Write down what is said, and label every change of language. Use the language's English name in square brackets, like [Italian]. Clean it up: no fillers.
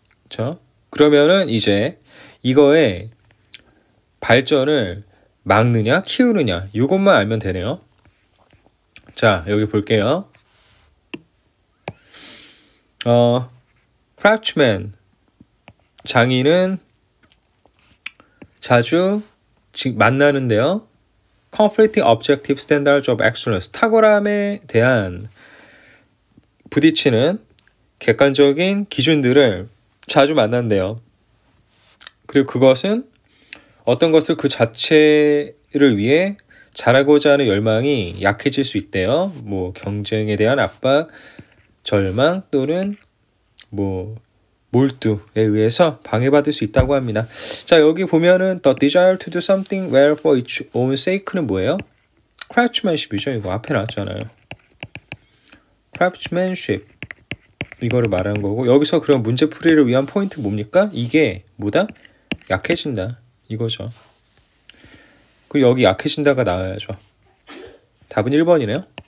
[Korean] 자, 그러면은 이제 이거의 발전을 막느냐, 키우느냐, 이것만 알면 되네요. 자, 여기 볼게요. 크라우치맨 장인은 자주 만나는데요. [English] Conflicting objective standards of excellence. [Korean] 탁월함에 대한 부딪히는 객관적인 기준들을 자주 만난대요. 그리고 그것은 어떤 것을 그 자체를 위해 잘하고자 하는 열망이 약해질 수 있대요. 뭐 경쟁에 대한 압박, 절망 또는 뭐 몰두에 의해서 방해받을 수 있다고 합니다. 자, 여기 보면은 [English] The desire to do something well for its own sake는 [Korean] 뭐예요? Craftsmanship이죠. 이거 앞에 나왔잖아요. Craftsmanship 이거를 말하는 거고, 여기서 그럼 문제풀이를 위한 포인트 뭡니까? 이게 뭐다? 약해진다 이거죠. 그리고 여기 약해진다가 나와야죠. 답은 1번이네요.